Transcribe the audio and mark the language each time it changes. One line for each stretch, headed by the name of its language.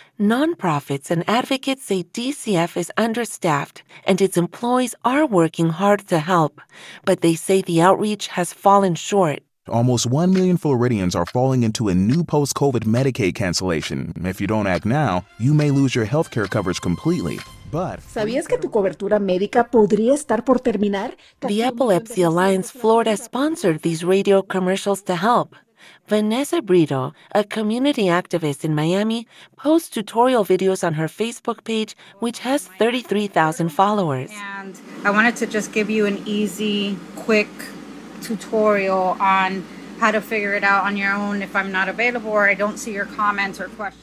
English: Nonprofits and advocates say DCF is understaffed and its employees are working hard to help, but they say the outreach has fallen short. Almost 1 million Floridians are falling into a new post-COVID Medicaid cancellation. If you don't act now, you may lose your health care coverage completely. But
Spanish: ¿sabías que tu cobertura médica podría estar por terminar?
English: The Epilepsy Alliance Florida sponsored these radio commercials to help. Vanessa Brito, a community activist in Miami, posts tutorial videos on her Facebook page, which has 33,000 followers. And I wanted to just give you an easy, quick tutorial on how to figure it out on your own if I'm not available or I don't see your comments or questions.